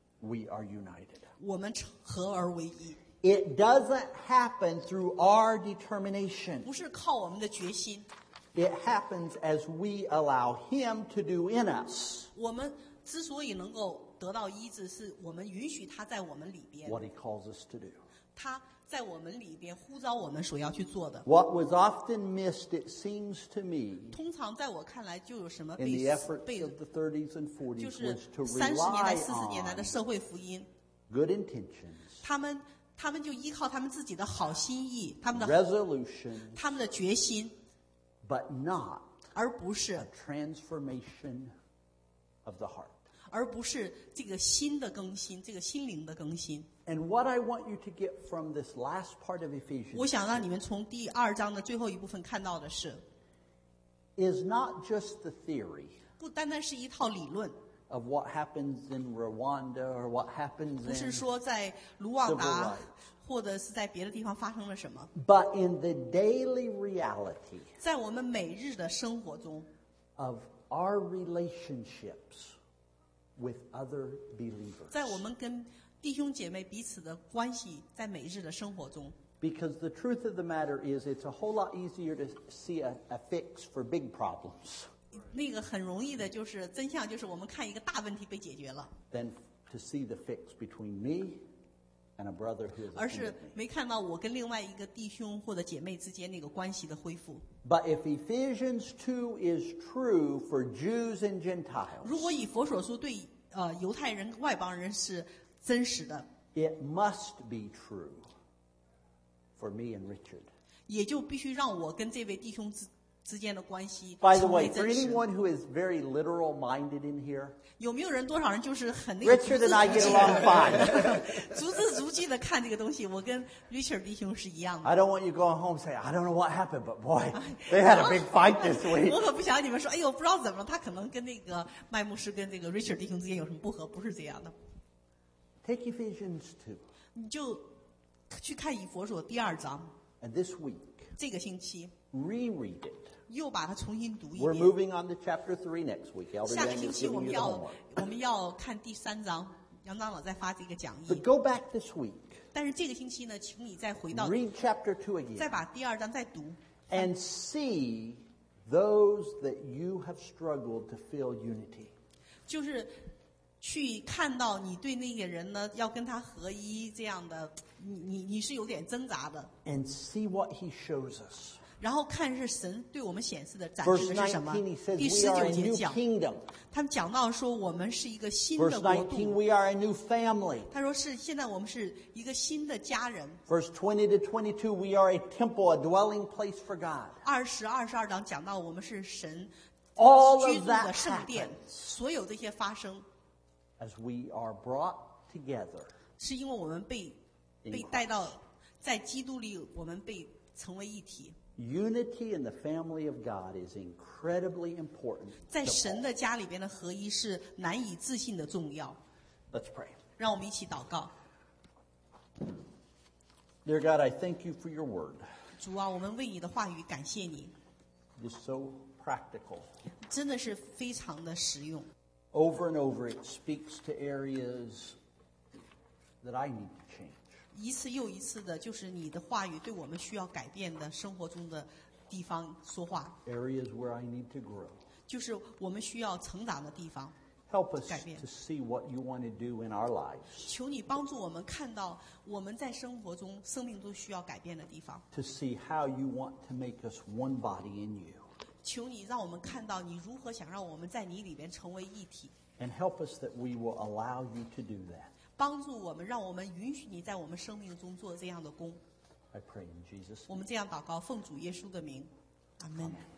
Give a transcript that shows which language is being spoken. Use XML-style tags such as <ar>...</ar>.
<en>，we are united，</en> <zh>我们合而为一。</zh> <en>It doesn't happen through our determination，</en> <zh>不是靠我们的决心。</zh> <en>It happens as we allow Him to do in us。</en> <zh>我们之所以能够得到医治，是我们允许他在我们里边。</zh> <en>What He calls us to do，</en> <zh>他。在我们里边呼召我们所要去做的。</zh> <en>What was often missed, it seems to me.</en> <zh>通常在我看来就有什么被</zh> <en>In the efforts of the 30s and 40s, was to rely on.</en> <zh>三十年代、四十年代的社会福音。</zh> <en>Good intentions.</en> <zh>他们就依靠他们自己的好心意，他们的</zh> <en>resolution.</en> <zh>他们的决心。</zh> <en>But not.</en> <zh>而不是</zh> <en>a transformation of the heart.</en> <zh>而不是这个心的更新，这个心灵的更新。</zh> <en>And what I want you to get from this last part of Ephesians,</en> <zh>我想让你们从第二章的最后一部分看到的是</zh> <en>is not just the theory,</en> <zh>不单单是一套理论</zh> <en>of what happens in Rwanda or what happens in</en> <zh>不是说在卢旺达或者是在别的地方发生了什么</zh> <en>but in the daily reality,</en> <zh>在我们每日的生活中</zh> <en>of our relationships with other believers,</en> <zh>在我们跟弟兄姐妹彼此的关系在每日的生活中</zh> <en>Because the truth of the matter is it's a whole lot easier to see a fix for big problems</en> <zh>那个很容易的就是真相就是我们看一个大问题被解决了</zh> <en>than to see the fix between me and a brother who is</en> <zh>而是没看到我跟另外一个弟兄或者姐妹之间那个关系的恢复</zh> <en>But if Ephesians 2 is true for Jews and Gentiles</en> <zh>如果以弗所书对犹太人外邦人是真实的</zh> <en>It must be true for me and Richard.</en> <zh>也就必须让我跟这位弟兄之间的关系。</zh> <en>By the way, for anyone who is very literal minded in here,</en> <zh>有没有人多少人就是很那个</zh> <en>？Richard and I get along fine.</en> <zh>逐字逐句的看这个东西，我跟 Richard 弟兄是一样的。</zh> <en>I don't want you going home saying, I don't know what happened, but boy, they had a big fight this week.</en> <zh>我可不想你们说，哎呦，不知道怎么，他可能跟那个麦牧师跟这个 Richard 弟兄之间有什么不和，不是这样的。</zh> <en>Take Ephesians 2.</en> <zh>你就去看以弗所第二章。</zh> <en>And this week,</en> <zh>这个星期</zh> <en>reread it.</en> <zh>又把它重新读一遍。</zh> <en>We're moving on to chapter 3 next week.</en> <zh>下个星期我们要看第三章，杨长老再发这个讲义。</zh> <en>But go back this week.</en> <zh>但是这个星期呢，请你再回到</zh> <en>read chapter 2 again.</en> <zh>再把第二章再读。</zh> <en>And see those that you have struggled to feel unity.</en> <zh>就是去看到你对那个人呢，要跟他合一这样的，你是有点挣扎的。</zh> <en>And see what he shows us.</en> <zh>然后看是神对我们显示的展示的是什么。</zh> <en>Verse 19, he says,</en> <zh>第十九节讲，</zh> <en>we are a new kingdom.</en> <zh>他们讲到说我们是一个新的国度。</zh> <en>Verse 19, we are a new family.</en> <zh>他说是现在我们是一个新的家人。</zh> <en>Verse 20 to 22, we are a temple, a dwelling place for God.</en> <zh>20-22章讲到我们是神居住的圣殿，所有这些发生。</zh> <en>As we are brought together,</en> <zh>是因为我们被带到在基督里，我们被成为一体。</zh> <en>Unity in the family of God is incredibly important.</en> <zh>在神的家里边的合一是难以置信的重要。</zh> <en>Let's pray.</en> <zh>让我们一起祷告。</zh> <en>Dear God, I thank you for your word.</en> <zh>主啊，我们为你的话语感谢你。</zh> <en>It is so practical.</en> <zh>真的是非常的实用。</zh> <en>Over and over, it speaks to areas that I need to change.</en> <zh>一次又一次的，就是你的话语对我们需要改变的生活中的地方说话。</zh> <en>Areas where I need to grow.</en> <zh>就是我们需要成长的地方。</zh> <en>Help us to see what you want to do in our lives.</en> <zh>求你帮助我们看到我们在生活中、生命中需要改变的地方。</zh> <en>To see how you want to make us one body in you.</en> <zh>求你让我们看到你如何想让我们在你里边成为一体。</zh> <en>And help us that we will allow you to do that.</en> <zh>帮助我们，让我们允许你在我们生命中做这样的工。</zh> <en>I pray in Jesus' name.</en> <zh>我们这样祷告，奉主耶稣的名，阿门。</zh>